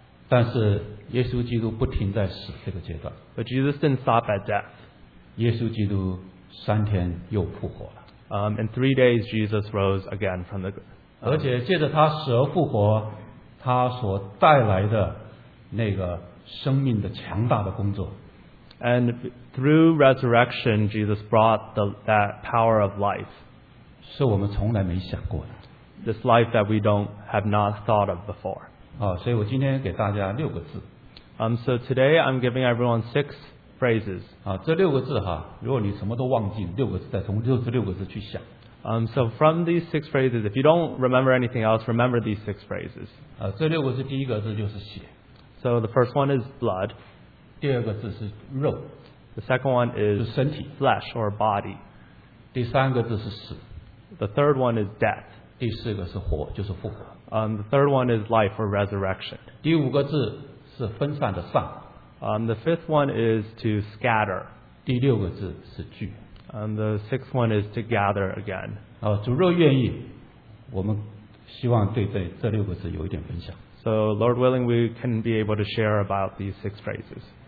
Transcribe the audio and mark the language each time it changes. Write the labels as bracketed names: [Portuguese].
[Chinese] 但是耶稣基督不停在死这个阶段。 [English] But Jesus didn't stop at death. [Chinese] 耶稣基督三天又复活了。 [English] In 3 days, Jesus rose again from the grave. [Chinese] 而且借着他死而复活，他所带来的那个生命的强大的工作。 [English] And through resurrection, Jesus brought that power of life. [Chinese] 是我们从来没想过的。 [English] This life that we don't have not thought of before. [Chinese] 所以我今天给大家六个字。 [English] So today I'm giving everyone six phrases. [Chinese] 啊, 这六个字哈, 如果你什么都忘记, 六个字, [English] So from these six phrases, if you don't remember anything else, remember these six phrases. [Chinese] 啊, 这六个字第一个字就是血, [English] so the first one is blood. [Chinese] 第二个字是肉, [English] the second one is [Chinese] 就身体, [English] flesh or body. [Chinese] 第三个字是死, [English] the third one is death. [Chinese] 第四个是火, 就是复活, [English] the third one is life or resurrection. [Chinese] 第五个字是分散的散, [English] the fifth one is to scatter. [Chinese] 第六个字是聚, [English] the sixth one is to gather again. [Chinese] 哦, 主若愿意, 我们希望对这六个字有一点分享。 [English] So Lord willing, we can be able to share about these six phrases.